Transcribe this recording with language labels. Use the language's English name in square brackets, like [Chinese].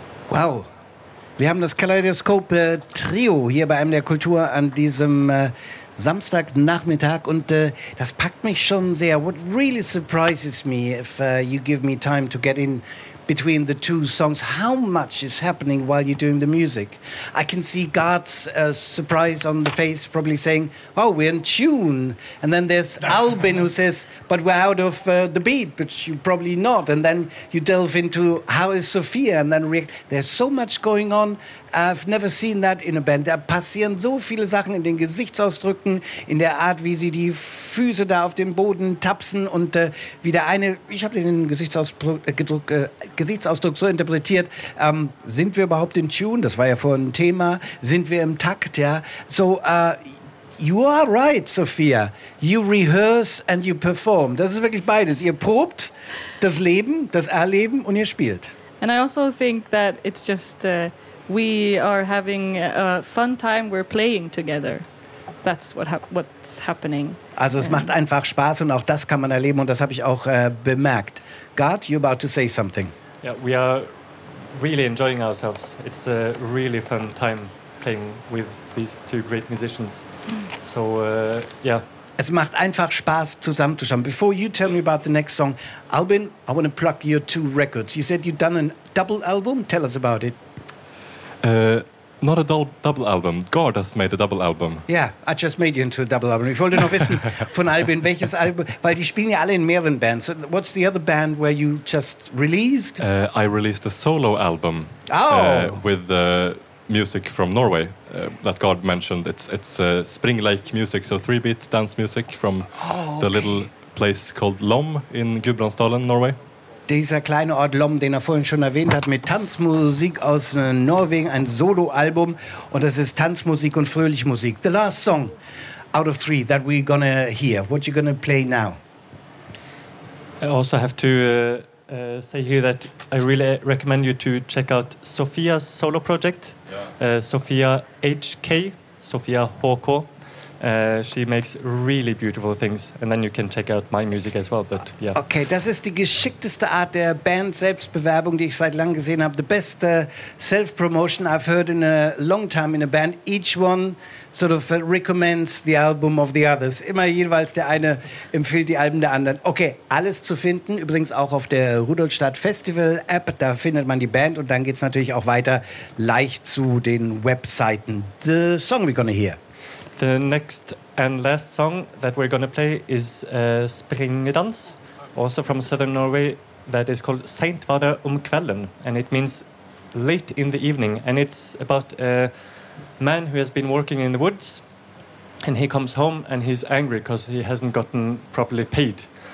[German] Wow, wir haben das Kaleidoskop Trio hier bei MDR Kultur an diesem Samstagnachmittag und das packt mich schon sehr. [English] What really surprises me if you give me time to get in between the two songs, how much is happening while you're doing the music? I can see Gart's surprise on the face, probably saying, oh, we're in tune. And then there's Albin who says, but we're out of the beat, which you probably not. And then you delve into how is Sophia, and then there's so much going on. I've never seen that in a band. [German] Da passieren so viele Sachen in den Gesichtsausdrücken, in der Art, wie sie die Füße da auf dem Boden tapsen und wie der eine, ich habe den Gesichtsausdruck so interpretiert, sind wir überhaupt in Tune? Das war ja vorhin ein Thema. Sind wir im Takt, ja? [English] So, you are right, Sophia. You rehearse and you perform. [German] Das ist wirklich beides. Ihr probt das Leben, das Erleben und ihr spielt. [English] And I also think that it's just... We are having a fun time. We're playing together. That's what's happening. [German] Also es macht einfach Spaß und auch das kann man erleben und das habe ich auch bemerkt. [English] Gart, you're about to say something. Yeah, we are really enjoying ourselves. It's a really fun time playing with these two great musicians. So, yeah. [German] Es macht einfach Spaß, zusammenzuschauen. [English] Before you tell me about the next song, Albin, I want to plug your two records. You said you've done a double album. Tell us about it. Not a double album. Gart has made a double album. Yeah, I just made you into a double album. [German] Ich wollte noch wissen von Albin, welches Album, weil die spielen ja alle in mehreren Bands. [English] So what's the other band where you just released? I released a solo album. Oh! With the music from Norway that Gart mentioned. It's Spring Lake music, so 3-beat dance music from the little place called Lom in Gudbrandsdalen, Norway. [German] Dieser kleine Ort Lom, den er vorhin schon erwähnt hat, mit Tanzmusik aus Norwegen, ein Soloalbum. Und das ist Tanzmusik und Fröhlichmusik. [English] The last song out of three that we're gonna hear. What you gonna play now? I also have to say here that I really recommend you to check out Sophia's solo project. Yeah. Sophia HK, Sophia Håkå. She makes really beautiful things. And then you can check out my music as well. But yeah. [German] Okay, das ist die geschickteste Art der Band-Selbstbewerbung, die ich seit langem gesehen habe. [English] The best self-promotion I've heard in a long time in a band. Each one sort of recommends the album of the others. [German] Immer jeweils der eine empfiehlt die Alben der anderen. Okay, alles zu finden, übrigens auch auf der Rudolstadt Festival App. Da findet man die Band und dann geht's natürlich auch weiter leicht zu den Webseiten. [English] The song we're gonna hear. The next and last song that we're going to play is Springedans, also from southern Norway, that is called Seint varda om kvelden, and it means late in the evening. And it's about a man who has been working in the woods, and he comes home and he's angry because he hasn't gotten properly paid.